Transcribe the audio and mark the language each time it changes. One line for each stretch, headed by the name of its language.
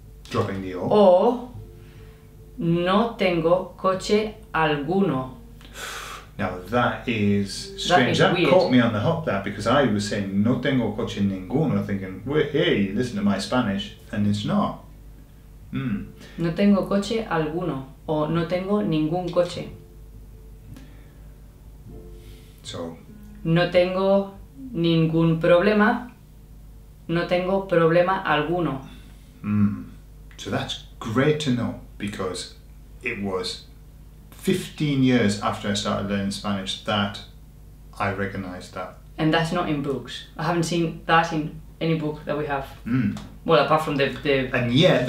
English: Dropping the
Spanish: O. O no tengo coche alguno.
English: Now that is strange. That is weird. Caught me on the hop, that, because I was saying
Spanish: no tengo coche ninguno,
English: thinking, well, hey, listen to my Spanish, and it's not.
Spanish: No tengo coche alguno, o no tengo ningún coche.
English: So.
Spanish: No tengo ningún problema, no tengo problema alguno.
English: So that's great to know, because it was 15 years after I started learning Spanish that I recognized that. And that's not in books. I haven't seen that in any book that we have. Well, apart from the and yet,